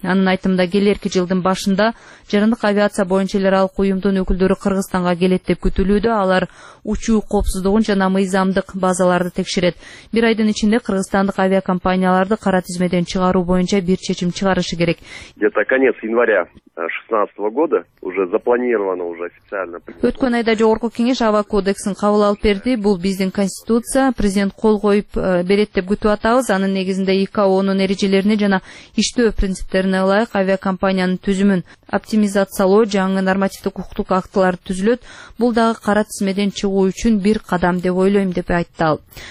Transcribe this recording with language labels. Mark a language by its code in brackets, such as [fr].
[ky] Анын айтымында келерки жылдын башында жарандык авиация боюнча эл аралык уюмдун өкүлдөрү Кыргызстанга келет деп күтүлүүдө. Алар учуу коопсуздугун жана мыйзамдык базаларды текшерет. Бир айдын ичинде кыргызстандык авиакомпанияларды кара тизмеден чыгаруу боюнча бир чечим чыгарышы керек. [ru] Где-то конец января 2016 года уже запланировано уже официально. [ky] Өткөн айда жогорку кеңеш права кодексин кабыл алып берди. Бул биздин конституция, президент кол коюп берет деп күтүп атабыз. Анын негизинде ИКОонун эрежелерине жана иштөө принциптерине ылайык авиакомпаниянын түзүмүн оптимизациялоо, жаңы нормативдик укуктук актылар түзүлөт. Бул дагы кара тизмеден чыгуу үчүн бир кадам деп ойлойм, деп айтты ал.